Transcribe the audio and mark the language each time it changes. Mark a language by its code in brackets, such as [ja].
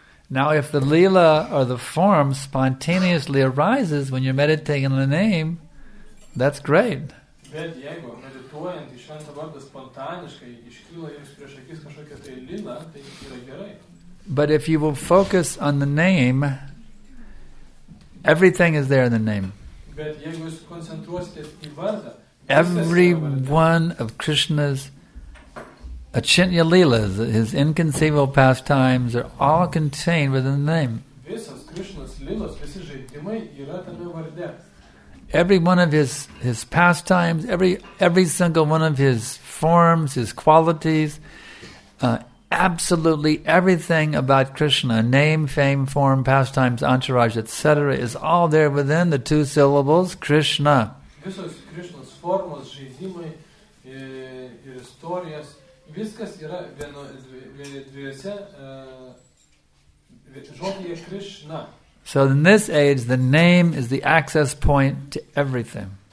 [en] Now, if the lila or the form spontaneously arises when you're meditating on the name, that's great. [lt] Bet jeigu medituojant į šventą vardą spontaniškai iškyla jums prieš akis kažkokia tai lila, tai yra gerai. [en] But if you will focus on the name, everything is there in the name. [lt] Bet jeigu jūs koncentruositės į vardą, [en] every one of Krishna's achintya lilas, his inconceivable pastimes, are all contained within the name. [lt] Visas Krishna's lilas, visi žaidimai yra tame varde. [en] Every one of his pastimes, every single one of his forms, his qualities, absolutely everything about Krishna, name, fame, form, pastimes, entourage, etc., is all there within the two syllables, Krishna. [lt] Visos Krishna's formos, žaidimai, ir istorijas, viskas yra dviese, žodėje Krishna. [en] So in this age, the name is the access point to everything.